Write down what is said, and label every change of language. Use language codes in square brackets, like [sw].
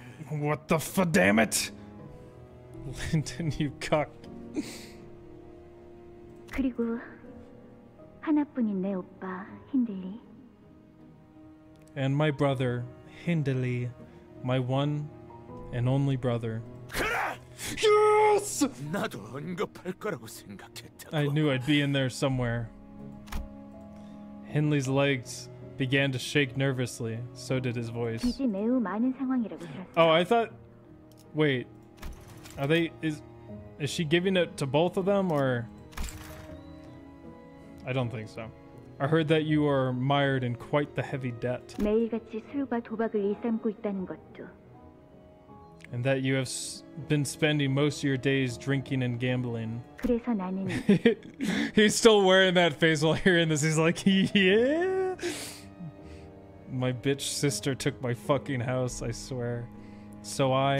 [en] What the f- damn it, Linton, you cuck. [ko] 그리고 하나뿐인 내 오빠 힌들리. [en] And my brother, Hindley. My one and only brother. [ko] 그래! [en] Yes! [ko] 나도 언급할 거라고 생각했다고. [en] I knew I'd be in there somewhere. Hindley's legs began to shake nervously. So did his voice. [ko] 빚이 매우 많은 상황이라고 들었어. [en] Oh, I thought... Wait. Are they... Is she giving it to both of them or... I don't think so. I heard that you are mired in quite the heavy debt. [ko] 매일같이 술과 도박을 일삼고 있다는 것도. [en] And that you have been spending most of your days drinking and gambling. [ko] 그래서 나는 [en] He's still wearing that face while hearing this. He's like, yeah. My bitch sister took my fucking house, I swear. So I